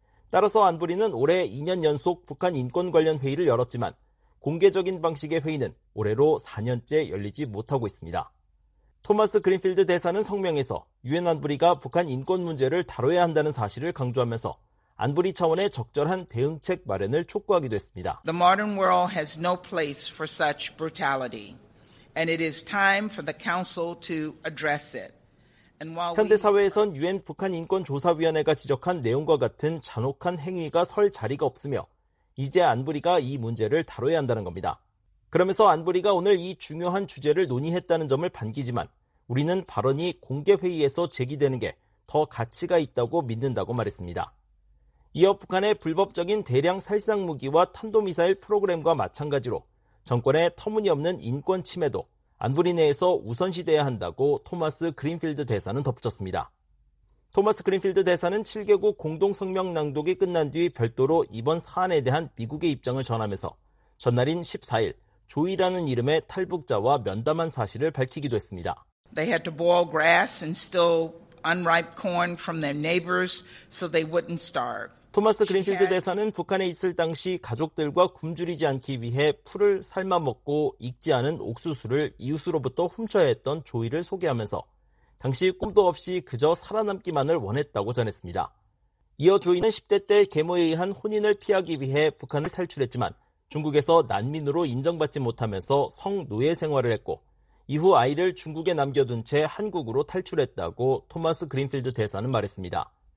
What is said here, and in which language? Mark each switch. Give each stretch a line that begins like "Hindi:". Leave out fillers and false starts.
Korean: 따라서 안보리는 올해 2년 연속 북한 인권 관련 회의를 열었지만 공개적인 방식의 회의는 올해로 4년째 열리지 못하고 있습니다. 토마스 그린필드 대사는 성명에서 유엔 안보리가 북한 인권 문제를 다뤄야 한다는 사실을 강조하면서 안보리 차원의 적절한 대응책 마련을 촉구하기도 했습니다.
English: The modern world has no place for such brutality, and it is time for the Council to address it.
Korean: 현대사회에선 유엔 북한인권조사위원회가 지적한 내용과 같은 잔혹한 행위가 설 자리가 없으며 이제 안보리가 이 문제를 다뤄야 한다는 겁니다. 그러면서 안보리가 오늘 이 중요한 주제를 논의했다는 점을 반기지만 우리는 발언이 공개회의에서 제기되는 게 더 가치가 있다고 믿는다고 말했습니다. 이어 북한의 불법적인 대량 살상무기와 탄도미사일 프로그램과 마찬가지로 정권의 터무니없는 인권 침해도 안보리 내에서 우선시돼야 한다고 토마스 그린필드 대사는 덧붙였습니다. 토마스 그린필드 대사는 7개국 공동성명 낭독이 끝난 뒤 별도로 이번 사안에 대한 미국의 입장을 전하면서 전날인 14일 조이라는 이름의 탈북자와 면담한 사실을 밝히기도 했습니다.
English: They had to boil grass and steal unripe corn from their neighbors so they wouldn't starve.
Korean: 토마스 그린필드 대사는 북한에 있을 당시 가족들과 굶주리지 않기 위해 풀을 삶아먹고 익지 않은 옥수수를 이웃으로부터 훔쳐야 했던 조이를 소개하면서 당시 꿈도 없이 그저 살아남기만을 원했다고 전했습니다. 이어 조이는 10대 때 계모에 의한 혼인을 피하기 위해 북한을 탈출했지만 중국에서 난민으로 인정받지 못하면서 성노예 생활을 했고 이후 아이를 중국에 남겨둔 채 한국으로 탈출했다고 토마스 그린필드 대사는 말했습니다.